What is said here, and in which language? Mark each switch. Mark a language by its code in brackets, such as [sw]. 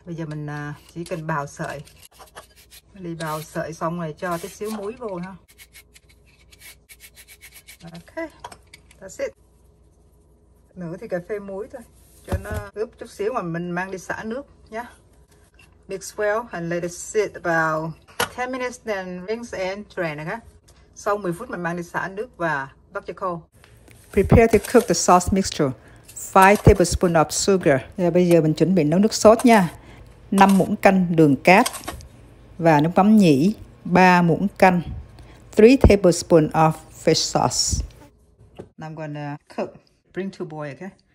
[vi] Bây giờ mình chỉ cần bào sợi. Milly bào sợi xong rồi cho tí xíu muối vô ha. [en] Okay, that's it. [vi] Nửa thì cà phê muối thôi. Cho nó ướp chút xíu mà mình mang đi xả nước nhé. [en] Mix well and let it sit about 10 minutes then rinse and drain. Okay? [vi] Sau 10 phút mình mang đi xả nước và bắt cho khô. [en] Prepare to cook the sauce mixture. 5 tablespoons of sugar. [vi] Và bây giờ mình chuẩn bị nấu nước sốt nha. 5 muỗng canh đường cát và nước mắm nhỉ 3 muỗng canh. [en] 3 tablespoons of fish sauce. I'm gonna cook. Bring to boil. Okay?